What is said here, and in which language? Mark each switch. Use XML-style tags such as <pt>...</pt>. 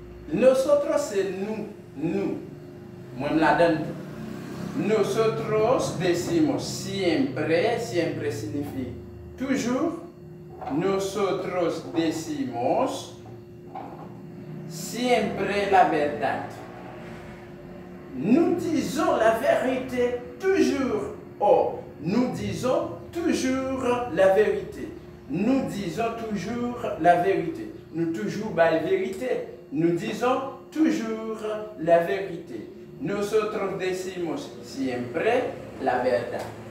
<es>Nosotros es nous. Nosotros decimos siempre, siempre significa toujours. Nosotros decimos siempre la verdad.</es> <fr>Nous disons la vérité toujours. Oh, nous disons toujours la vérité. Nous disons toujours la vérité. Nous toujours by vérité. Nous disons toujours la vérité.</fr> <es>Nosotros decimos siempre la verdad.</es>